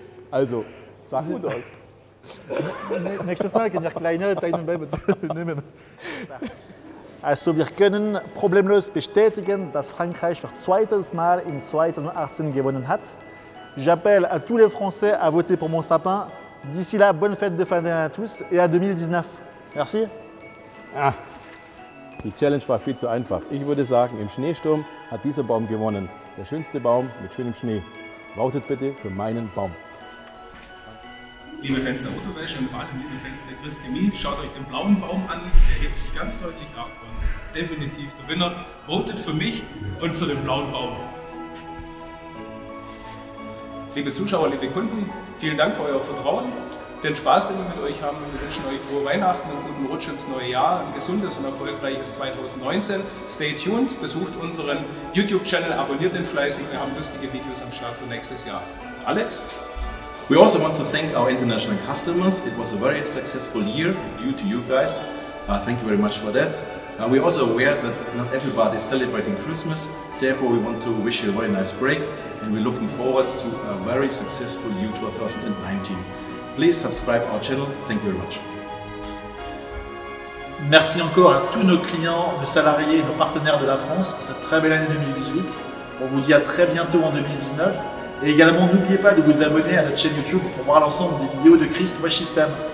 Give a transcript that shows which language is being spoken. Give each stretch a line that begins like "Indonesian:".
German: Also, sah gut aus. Nächstes Mal können wir kleinere Teilnehmer nehmen. Also wir können problemlos bestätigen, dass Frankreich für zweites Mal in 2018 gewonnen hat.
French: J'appelle à tous les Français à voter pour mon sapin. D'ici là, bonne fête de fin d'année à tous et à 2019. Merci.
German: Ah, die Challenge war viel zu einfach. Ich würde sagen, im Schneesturm hat dieser Baum gewonnen. Der schönste Baum mit schönem Schnee. Votet bitte für meinen Baum. Liebe Fans der Autowäsche und vor allem liebe Fans der Chris Chemie, schaut euch den blauen Baum an, der hebt sich ganz deutlich ab und definitiv Gewinner. Votet für mich und für den blauen Baum. Liebe Zuschauer, liebe Kunden, vielen Dank für euer Vertrauen. Den Spaß, den wir mit euch haben. Wir wünschen euch frohe Weihnachten und guten Rutsch ins neue Jahr. Ein gesundes und erfolgreiches 2019.
English: Stay tuned,
German: besucht unseren YouTube-Channel, abonniert den fleißig. Wir haben lustige Videos am Start für nächstes Jahr. Alex?
English: We also want to thank our international customers. It was a very successful year due to you guys. Thank you very much for that. We are also aware that not everybody is celebrating Christmas. Therefore, we want to wish you a very nice break. And we're looking forward to a very successful year 2019. Please subscribe our channel. Thank you very much.
French: Merci encore à tous nos clients, nos salariés et nos partenaires de la France pour cette très belle année 2018. On vous dit à très bientôt en 2019. Et également, n'oubliez pas de vous abonner à notre chaîne YouTube pour voir l'ensemble des vidéos de Christ Wash System.